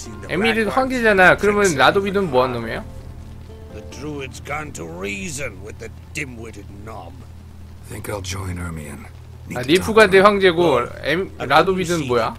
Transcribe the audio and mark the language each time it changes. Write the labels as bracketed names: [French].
[Korean] 에미르 황제잖아. 그러면 라도비드는 뭐 하는 놈이에요? [English] The druid's gone to reason with the dim-witted knob. Think I'll join Ermion. [Korean] 아, 니프가 내 황제고 라도비드는 뭐야?